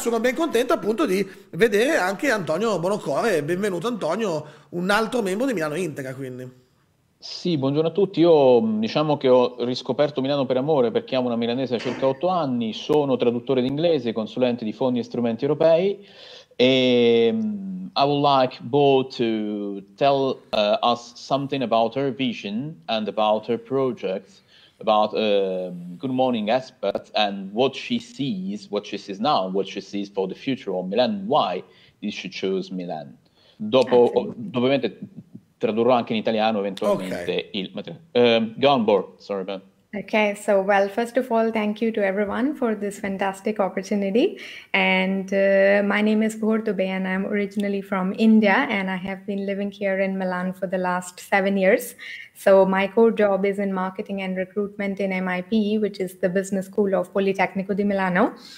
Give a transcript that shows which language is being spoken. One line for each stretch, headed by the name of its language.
Italian: Sono ben contento appunto di vedere anche Antonio Bonocore. Benvenuto Antonio, un altro membro di Milano Inter, quindi. Sì, buongiorno a tutti. Io diciamo che ho riscoperto Milano per amore, perché amo una milanese da circa 8 anni, sono traduttore d'inglese, consulente di fondi e strumenti europei.
English: E I would like Bo to tell us something about her vision and about her projects. About good morning expert and what she sees now, what she sees for the future of Milan, why did she choose Milan.
Italian: Dopo, ovviamente tradurrò anche in italiano eventualmente il materiale.
English: Go on board, sorry Ben. Okay, so well, first of all, thank you to everyone for this fantastic opportunity. And my name is Bhor Dubey, and I'm originally from India, and I have been living here in Milan for the last 7 years. So my core job is in marketing and recruitment in MIP, which is the business school of Politecnico di Milano.